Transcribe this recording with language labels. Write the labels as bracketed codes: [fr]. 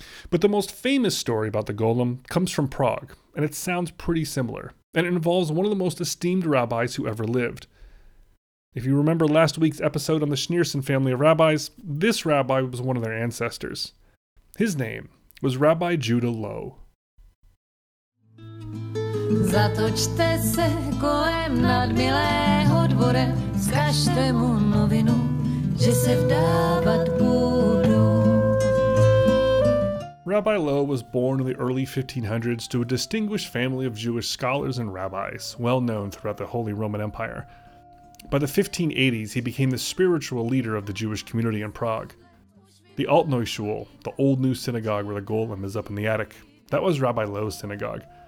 [en] But the most famous story about the golem comes from Prague, and it sounds pretty similar, and it involves one of the most esteemed rabbis who ever lived. If you remember last week's episode on the Schneerson family of rabbis, this rabbi was one of their ancestors. His name was Rabbi Judah Lowe. [cs] Zato čte se kolem nad milého dvore, zkažte mu novinu, že se vdávat budu. [en] Rabbi Lowe was born in the early 1500s to a distinguished family of Jewish scholars and rabbis, well known throughout the Holy Roman Empire. By the 1580s, he became the spiritual leader of the Jewish community in Prague. The Altneu Shul, the old new synagogue where the golem is up in the attic, that was Rabbi Lowe's synagogue.